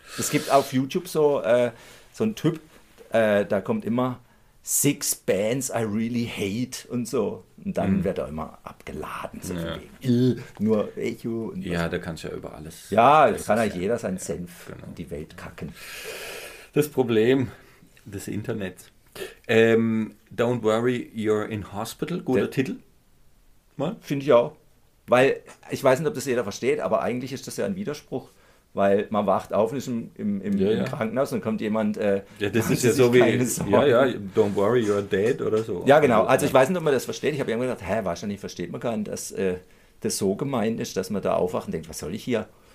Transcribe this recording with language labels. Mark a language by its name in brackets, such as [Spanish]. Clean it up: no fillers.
[German] Es gibt auf YouTube so einen Typ, da kommt immer 6 [English] Bands I really hate [German] und so. Und dann wird er immer abgeladen. So nur Echo. Und ja, was. Da kannst du ja über alles. Ja, da kann ja jeder seinen Senf in die Welt kacken. Das Problem des Internets. [English] Don't worry, you're in hospital. [German] Guter Titel. Finde ich auch. Weil, ich weiß nicht, ob das jeder versteht, aber eigentlich ist das ja ein Widerspruch, weil man wacht auf und ist im Krankenhaus und dann kommt jemand, das ist ja so wie, [English] don't worry, you're dead [German] oder so. Ja, genau, also ich weiß nicht, ob man das versteht, ich habe irgendwann gedacht, wahrscheinlich versteht man gar nicht, dass das so gemeint ist, dass man da aufwacht und denkt, was soll ich hier?